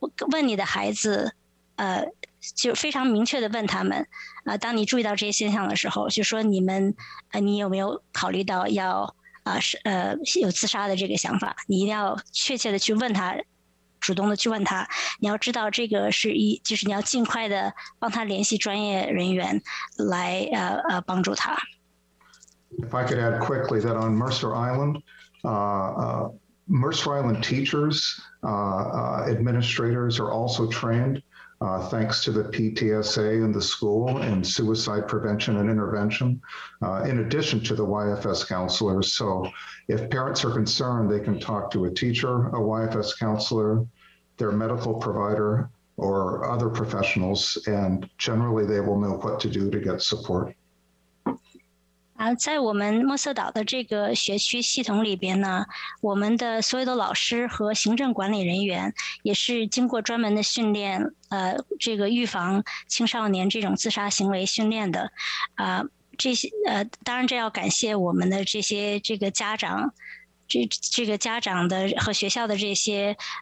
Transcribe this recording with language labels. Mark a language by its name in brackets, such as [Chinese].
[Chinese] 问你的孩子就非常明确的问他们当你注意到这些现象的时候，就说你们你有没有考虑到要有自杀的这个想法，你一定要确切的去问他，主动的去问他，你要知道这个是就是你要尽快的帮他联系专业人员来帮助他。 [English] If I could add quickly that on Mercer Island, Mercer Island teachers, administrators are also trained, thanks to the PTSA and the school in suicide prevention and intervention, in addition to the YFS counselors. So if parents are concerned, they can talk to a teacher, a YFS counselor,their medical provider or other professionals, and generally they will know what to do to get support. [Chinese] 在我们墨色岛的这个学区系统里边呢，我们的所有的老师和行政管理人员也是经过专门的训练，这个预防青少年这种自杀行为训练的，这些当然这要感谢我们的这些这个家长，这个家长的和学校的这些